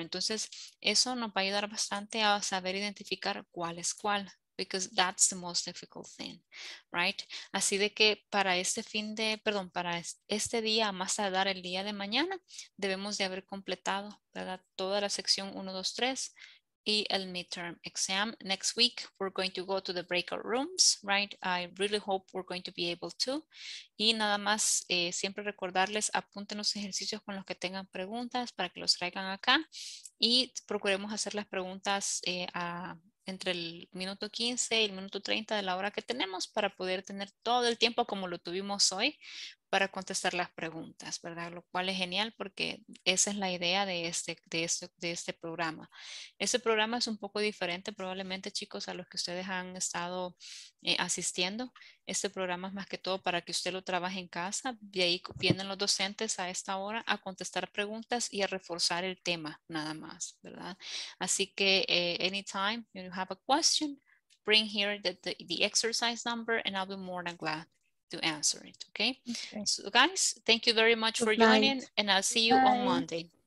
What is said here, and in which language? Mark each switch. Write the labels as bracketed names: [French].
[Spanish] Entonces, eso nos va a ayudar bastante a saber identificar cuál es cuál, [English] because that's the most difficult thing, right? [Spanish] Así de que para este fin de, perdón, para este día, más tardar el día de mañana, debemos de haber completado, ¿verdad?, toda la sección 1, 2, 3 y el midterm exam. [English] Next week, we're going to go to the breakout rooms, right? I really hope we're going to be able to. [Spanish] Y nada más, siempre recordarles, apunten los ejercicios con los que tengan preguntas para que los traigan acá y procuremos hacer las preguntas a entre el minuto 15 y el minuto 30 de la hora que tenemos para poder tener todo el tiempo como lo tuvimos hoy para contestar las preguntas, ¿verdad? Lo cual es genial porque esa es la idea de este programa. Este programa es un poco diferente probablemente, chicos, a los que ustedes han estado asistiendo. Este programa es más que todo para que usted lo trabaje en casa. De ahí vienen los docentes a esta hora a contestar preguntas y a reforzar el tema nada más, ¿verdad? Así que [English] anytime you have a question, bring here the exercise number and I'll be more than glad to answer it. Okay? Okay. So guys, thank you very much good for night. Joining and I'll see you bye. On Monday.